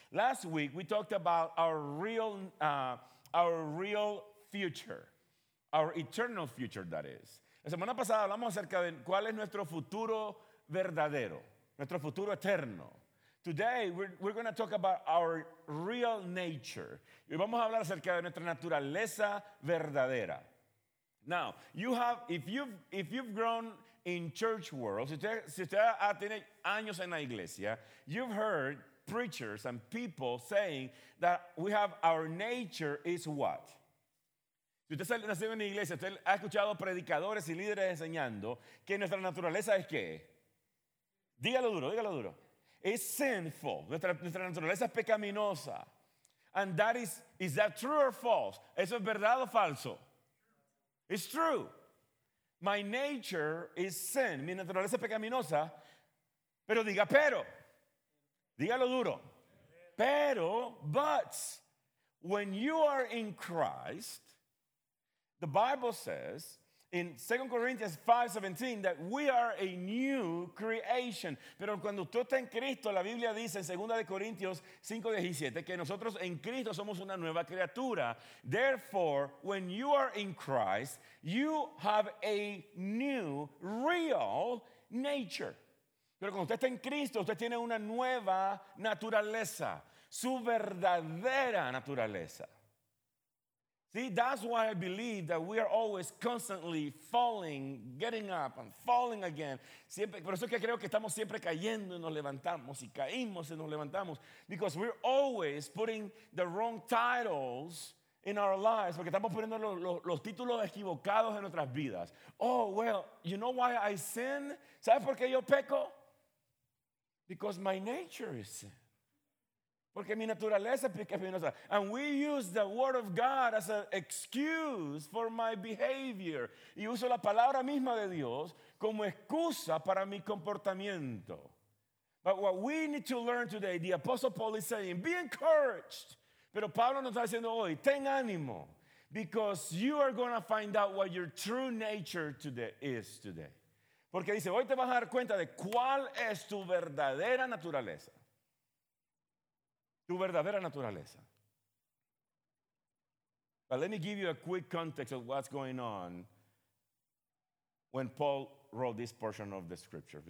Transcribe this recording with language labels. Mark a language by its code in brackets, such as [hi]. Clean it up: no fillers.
[en] Last week we talked about our real future. Our eternal future, that is. [es] La semana pasada hablamos acerca de cuál es nuestro futuro verdadero, nuestro futuro eterno. [en] Today we're going to talk about our real nature. [es] Y vamos a hablar acerca de nuestra naturaleza verdadera. [en] Now, if you've grown in church world, [es] si usted tiene años en la iglesia, [en] you've heard preachers and people saying that we have our nature is what? [es] Si usted ha nacido en la iglesia, usted ha escuchado predicadores y líderes enseñando que nuestra naturaleza es qué. Dígalo duro, dígalo duro. [en] It's sinful. [es] Nuestra naturaleza es pecaminosa. [en] And that is that true or false? [es] ¿Eso es verdad o falso? [en] It's true. My nature is sin. [es] Mi naturaleza es pecaminosa. Pero diga, pero. Dígalo duro. [en] Pero, but, when you are in Christ, the Bible says, in 2 Corinthians 5:17, that we are a new creation. [es] Pero cuando tú estás en Cristo, la Biblia dice en 2 Corintios 5:17 que nosotros en Cristo somos una nueva criatura. [en] Therefore, when you are in Christ, you have a new, real nature. [es] Pero cuando usted está en Cristo, usted tiene una nueva naturaleza, su verdadera naturaleza. [en] See, that's why I believe that we are always constantly falling, getting up and falling again. [es] Siempre, por eso es que creo que estamos siempre cayendo y nos levantamos y caímos y nos levantamos. [en] Because we're always putting the wrong titles in our lives. [es] Porque estamos poniendo los títulos equivocados en nuestras vidas. [en] Oh, well, you know why I sin? [es] ¿Sabes por qué yo peco? [en] Because my nature is sin. [es] Porque mi naturaleza es pecaminosa. [en] And we use the word of God as an excuse for my behavior. [es] Y uso la palabra misma de Dios como excusa para mi comportamiento. [en] But what we need to learn today, the Apostle Paul is saying, be encouraged. [es] Pero Pablo nos está diciendo hoy, ten ánimo. [en] Because you are going to find out what your true nature today is today. [es] Porque dice, hoy te vas a dar cuenta de cuál es tu verdadera naturaleza. Tu verdadera naturaleza. [en] But let me give you a quick context of what's going on when Paul wrote this portion of the scripture.